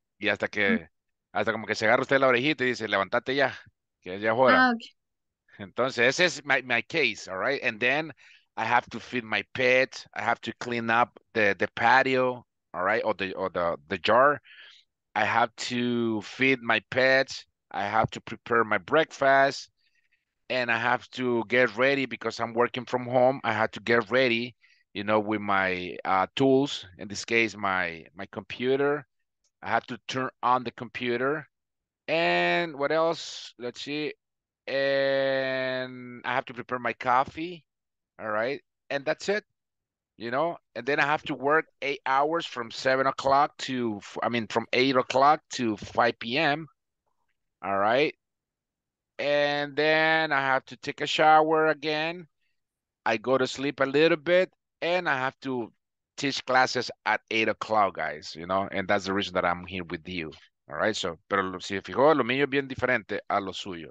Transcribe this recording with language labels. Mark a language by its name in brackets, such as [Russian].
[Spanish] Y hasta que, hasta como que se agarra usted la orejita y dice, levántate ya, que ya fuera. [English] Ah, okay. [Spanish] Entonces, ese es [English] my case, all right? And then I have to feed my pet, I have to clean up the patio, all right, or the jar. I have to feed my pets, I have to prepare my breakfast, and I have to get ready because I'm working from home. I had to get ready, you know, with my tools, in this case, my computer. I have to turn on the computer. And what else? Let's see. And I have to prepare my coffee. All right. And that's it, you know. And then I have to work 8 hours from 7 o'clock to, I mean, from 8 o'clock to 5 p.m. All right. And then I have to take a shower again. I go to sleep a little bit, and I have to teach classes at 8 o'clock, guys. You know, and that's the reason that I'm here with you. All right. [Spanish] So, pero si fijó, lo mío es bien diferente a lo suyo.